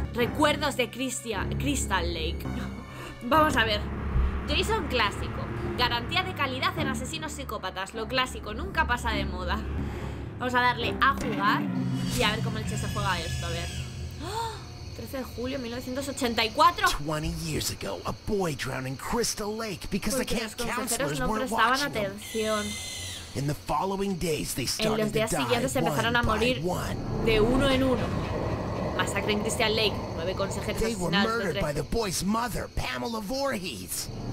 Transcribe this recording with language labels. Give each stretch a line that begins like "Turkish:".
Spanish: Recuerdos de Crystal Lake. Vamos a ver. Jason clásico. Garantía de calidad en asesinos psicópatas. Lo clásico, nunca pasa de moda. Vamos a darle a jugar y a ver cómo el chico juega esto. A ver. 13 de julio 1984.
English: 20 years ago, a boy drowned in Crystal Lake because the camp counselors weren't watching them. In the following days, they started to die.
Spanish: En los días siguientes empezaron a morir de uno en uno. Masacre en Crystal Lake. 9 consejeros asesinados.
English: They were murdered by the boy's mother, Pamela Voorhees.